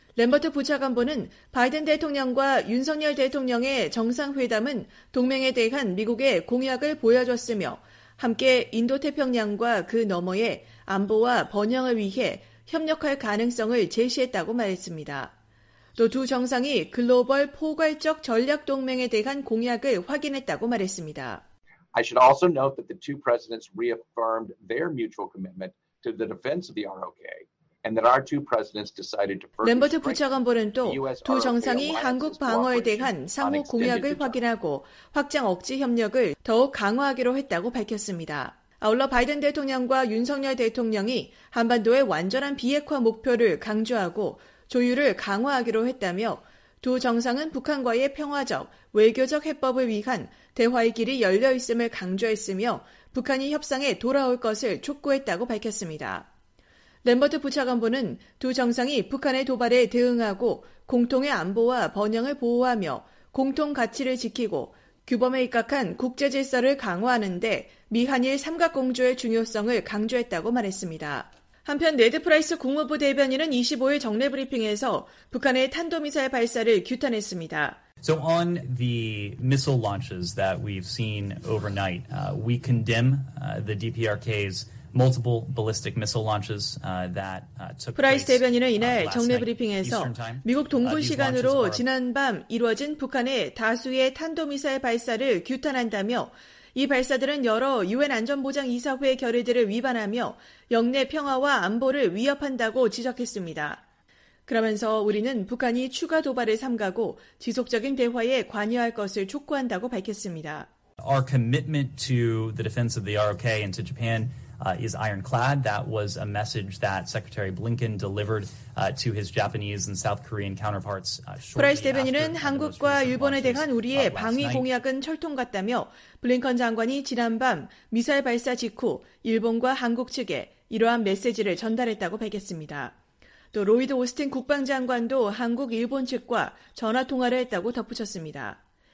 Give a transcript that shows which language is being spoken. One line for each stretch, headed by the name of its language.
Korean: 램버트 부차관보는 바이든 대통령과 윤석열 대통령의 정상회담은 동맹에 대한 미국의 공약을 보여줬으며 함께 인도태평양과 그 너머의 안보와 번영을 위해 협력할 가능성을 제시했다고 말했습니다. 또 두 정상이 글로벌 포괄적 전략 동맹에 대한 공약을 확인했다고 말했습니다.
English: I should also note that the two presidents reaffirmed their mutual commitment to the defense of the ROK.
Korean: 램버트 부차관보는 또 두 정상이 한국 방어에 대한 상호 공약을 확인하고 확장 억지 협력을 더욱 강화하기로 했다고 밝혔습니다. 아울러 바이든 대통령과 윤석열 대통령이 한반도의 완전한 비핵화 목표를 강조하고 조율을 강화하기로 했다며 두 정상은 북한과의 평화적, 외교적 해법을 위한 대화의 길이 열려 있음을 강조했으며 북한이 협상에 돌아올 것을 촉구했다고 밝혔습니다. 램버트 부차관보는 두 정상이 북한의 도발에 대응하고 공통의 안보와 번영을 보호하며 공통 가치를 지키고 규범에 입각한 국제질서를 강화하는데 미한일 삼각공조의 중요성을 강조했다고 말했습니다. 한편 네드 프라이스 국무부 대변인은 25일 정례 브리핑에서 북한의 탄도미사일 발사를 규탄했습니다.
English: So on the missile launches that we've seen overnight, we condemn the DPRK's multiple ballistic missile launches that took place.
Korean: 프라이스 대변인은 이날 정례 브리핑에서 미국 동부 시간으로 지난 밤 이루어진 북한의 다수의 탄도미사일 발사를 규탄한다며 이 발사들은 여러 유엔 안전보장 이사회 결의들을 위반하며 영내 평화와 안보를 위협한다고 지적했습니다. 그러면서 우리는 북한이 추가 도발을 삼가고 지속적인 대화에 관여할 것을 촉구한다고 밝혔습니다.
English: Our commitment to the defense of the ROK and to Japan is ironclad. That was a message that Secretary Blinken delivered to his Japanese and South Korean counterparts.
Korean: 프라이스 대변인은 한국과 일본에 대한 우리의 방위 공약은 철통 같다며 블링컨 장관이 지난밤 미사일 발사 직후 일본과 한국 측에 이러한 메시지를 전달했다고 밝혔습니다. 또 로이드 오스틴 국방장관도 한국, 일본 측과 전화 통화를 했다고 덧붙였습니다.